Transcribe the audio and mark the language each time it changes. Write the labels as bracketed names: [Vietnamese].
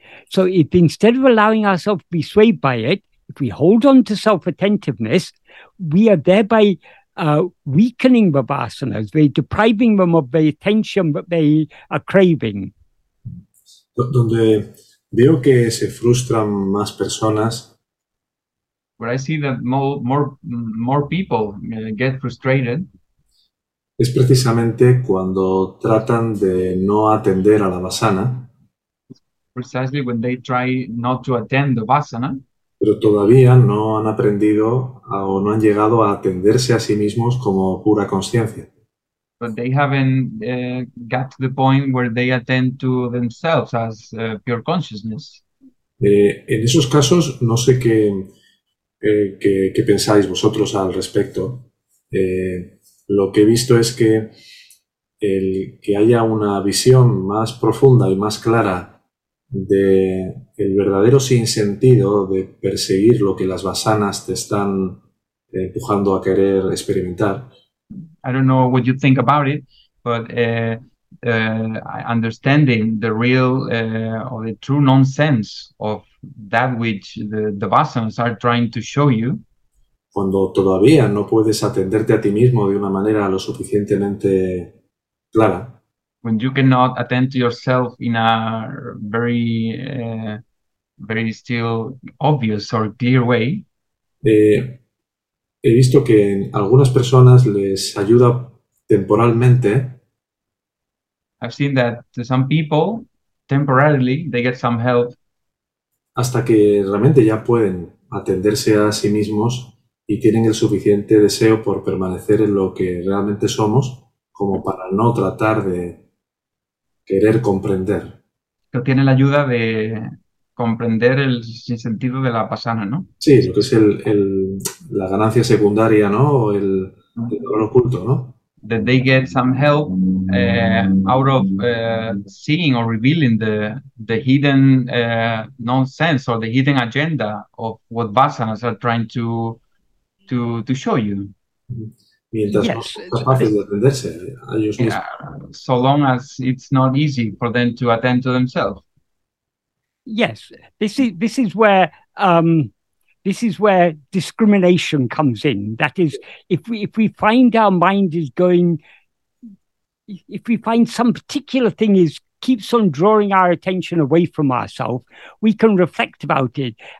[English] So if instead of allowing ourselves to be swayed by it, if we hold on to self-attentiveness, we are thereby weakening the vasanas, we're depriving them of the attention that they are craving. [Spanish] Donde veo que se frustran más personas. [English] Where I see that more people get frustrated. [Spanish] Es precisamente cuando tratan de no atender a la vasana. [English] Precisely when they try not to attend the vasana. [Spanish] Pero todavía no han aprendido o no han llegado a atenderse a sí mismos como pura conciencia. [English] But they haven't got to the point where they attend to themselves as pure consciousness. [Spanish] En esos casos, no sé qué pensáis vosotros al respecto. Lo que he visto es que el que haya una visión más profunda y más clara de el verdadero sinsentido de perseguir lo que las vasanas te están empujando a querer experimentar. [English] I don't know what you think about it, but understanding the real or the true nonsense of that which the vasanas are trying to show you. [Spanish] cuando todavía no puedes atenderte a ti mismo de una manera lo suficientemente clara. [English] When you cannot attend to yourself in a very, very still obvious or clear way. [Spanish] He visto que en algunas personas les ayuda temporalmente. [English] I've seen that to some people, temporarily, they get some help. [Spanish] Hasta que realmente ya pueden atenderse a sí mismos y tienen el suficiente deseo por permanecer en lo que realmente somos como para no tratar de querer comprender. Que tienen la ayuda de comprender el sinsentido de la pasana, ¿no? Sí, lo que es la ganancia secundaria, ¿no? O el color oculto, ¿no? [English] That they get some help out of seeing or revealing the hidden nonsense or the hidden agenda of what vasanas are trying to show you. [Spanish] Mientras [English] yes. [Spanish] No son capaces de atenderse a ellos mismos. [English] Yeah, so long as it's not easy for them to attend to themselves. Yes, this is where discrimination comes in. That is, if we find our mind is going, if we find some particular thing is keeps on drawing our attention away from ourselves, we can reflect about it.